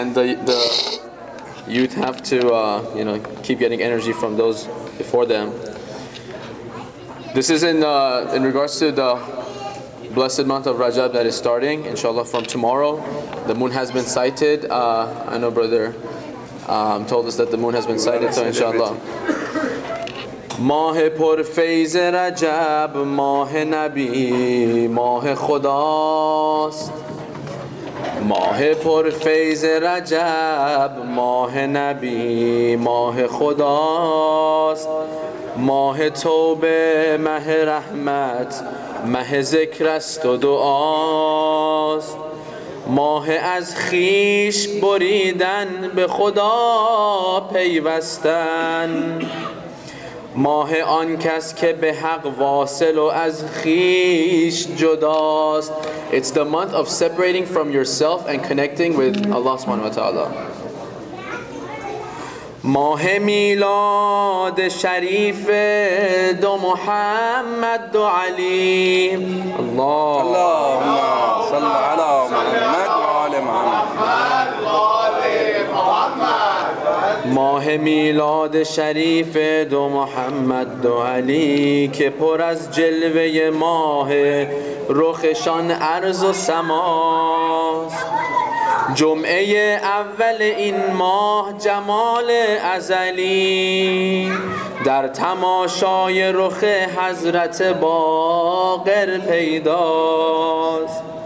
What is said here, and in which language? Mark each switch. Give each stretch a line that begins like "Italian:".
English: And the youth have to you know, keep getting energy from those before them. This is in regards to the blessed month of Rajab that is starting, inshallah, from tomorrow. The moon has been sighted. I know Brother told us that the moon has been sighted, so inshallah.
Persian: ماه پر فیض رجب ماه نبی ماه خداست ماه پر فیض رجب ماه نبی ماه خداست ماه توبه ماه رحمت ماه ذکر است و دعاست ماه از خیش بریدن به خدا پیوستن ماه آن کس که به حق واصل و از خیش جداست
English: It's the month of separating from yourself and connecting with Allah subhanahu wa ta'ala
Persian: ماه میلاد شریف دو محمد دو علی الله
Arabic: اللهم صل على محمد و آل محمد و آل محمد
Persian: ماه میلاد شریف دو محمد دو علی که پر از جلوه ماه رخشان عرض و سماست جمعه اول این ماه جمال ازلی در تماشای رخ حضرت باقر پیداست